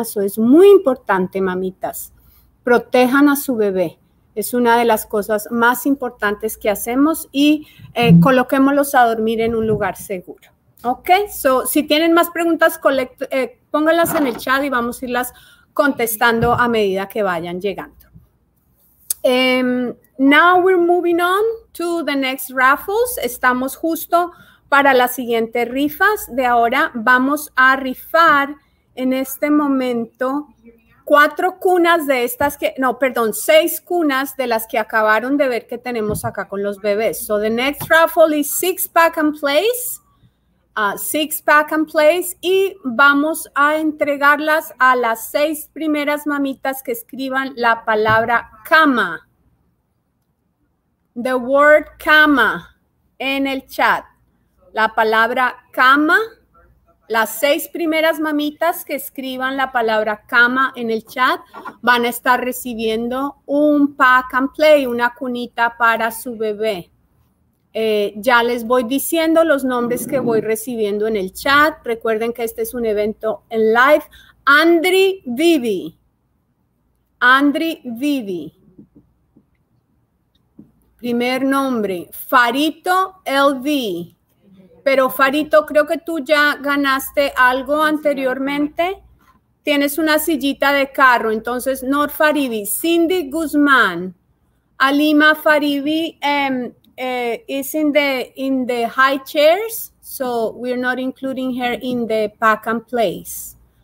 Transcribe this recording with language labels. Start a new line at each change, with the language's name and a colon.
Spanish: Eso es muy importante, mamitas. Protejan a su bebé. Es una de las cosas más importantes que hacemos y coloquémoslos a dormir en un lugar seguro. ¿Ok? So, si tienen más preguntas, pónganlas en el chat y vamos a irlas contestando a medida que vayan llegando.
English: Now we're moving on to the next raffles.
Spanish: Estamos justo para las siguientes rifas. De ahora vamos a rifar en este momento 4 cunas de estas que, no, perdón, 6 cunas de las que acabaron de ver que tenemos acá con los bebés.
English: So the next raffle is 6 pack and plays. 6 pack and plays.
Spanish: Y vamos a entregarlas a las 6 primeras mamitas que escriban la palabra cama.
English: The word
Spanish: cama en el chat. La palabra cama. Las 6 primeras mamitas que escriban la palabra cama en el chat van a estar recibiendo un pack and play, una cunita para su bebé. Ya les voy diciendo los nombres que voy recibiendo en el chat. Recuerden que este es un evento en live. Andri Vivi. Andri Vivi. Primer nombre. Farito LV. Pero Farito, creo que tú ya ganaste algo anteriormente. Tienes una sillita de carro.
English: Entonces, Nor Faribi, Cindy Guzmán, Alima Faribi is in the high chairs, so we're not including her in the pack and place.